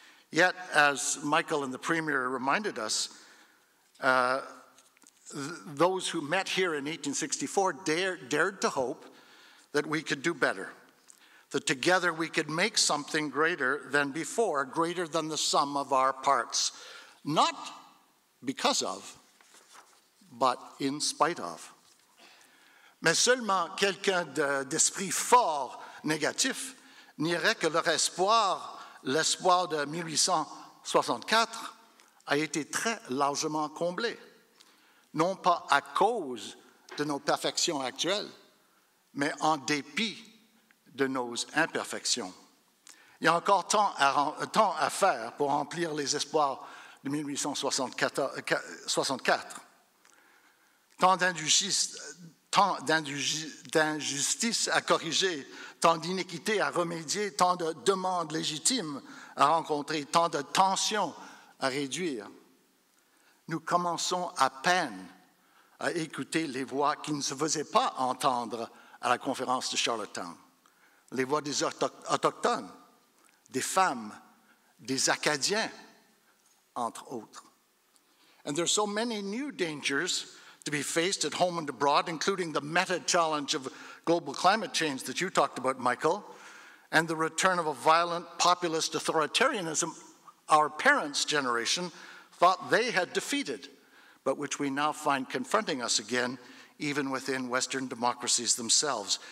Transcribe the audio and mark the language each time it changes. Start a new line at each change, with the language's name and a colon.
English: Yet, as Michael and the Premier reminded us, those who met here in 1864 dared to hope that we could do better, that together we could make something greater than before, greater than the sum of our parts, not because of, but in spite of.
French: Mais seulement quelqu'un d'esprit fort négatif n'irait que leur espoir, l'espoir de 1864, a été très largement comblé, non pas à cause de nos perfections actuelles, mais en dépit de nos imperfections. Il y a encore tant à faire pour remplir les espoirs de 1864. Tant d'injustices à corriger, tant d'iniquités à remédier, tant de demandes légitimes à rencontrer, tant de tensions à réduire. Nous commençons à peine à écouter les voix qui ne se faisaient pas entendre à la conférence de Charlottetown, les voix des autochtones, des femmes, des Acadiens, entre autres.
English: And there are so many new dangers to be faced at home and abroad, including the meta-challenge of global climate change that you talked about, Michael, and the return of a violent populist authoritarianism our parents' generation thought they had defeated, but which we now find confronting us again even within Western democracies themselves.